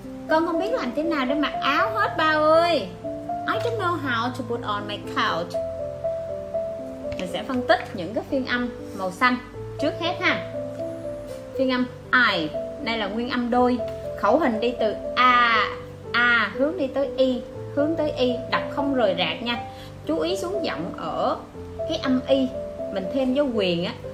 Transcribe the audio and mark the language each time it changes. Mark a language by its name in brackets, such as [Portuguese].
[Vietnamese] Con không biết làm thế nào để mặc áo hết ba ơi. [English] I don't know how to put on my coat. [Vietnamese] Mình sẽ phân tích những cái phiên âm màu xanh trước hết ha. Phiên âm I, đây là nguyên âm đôi, khẩu hình đi từ a hướng đi tới y, hướng tới y, đọc không rời rạc nha. Chú ý xuống giọng ở cái âm y, mình thêm dấu quyền á.